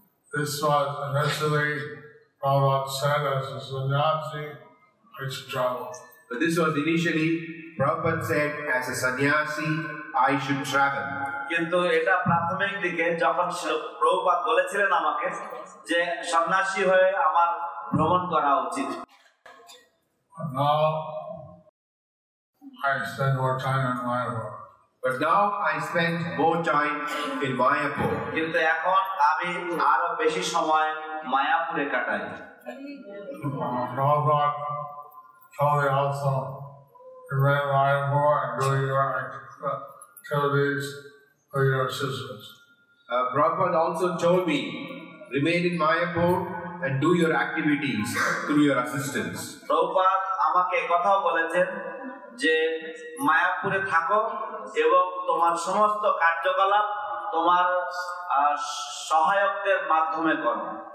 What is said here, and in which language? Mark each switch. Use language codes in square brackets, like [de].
[en] This was initially Prabhupada said as a sannyasi, I should travel. But this was initially Prabhupada said as a sannyasi, I should travel. [bn] কিন্তু এটা প্রাথমিক দিকে যখন প্রভুপাদ বলেছিলেন আমাকে যে সন্ন্যাসী হয়ে আমার ভ্রমণ করা উচিত। [en] Now I spend more time in Mayapur. But now I spend more time in Mayapur. [bn] কিন্তু এখন আমি আরো বেশি সময় মায়াপুরে কাটাই। [en] Prabhupada told me also, you may buy more and do your activities for your sisters. Prabhupada also told me, remain in Mayapur and do your activities through your assistants. [bn] Prabhupada আমাকে কথাও বলেছেন যে মায়াপুরে থাকো এবং তোমার সমস্ত কার্যকলাপ তোমার সহায়কদের মাধ্যমে করো।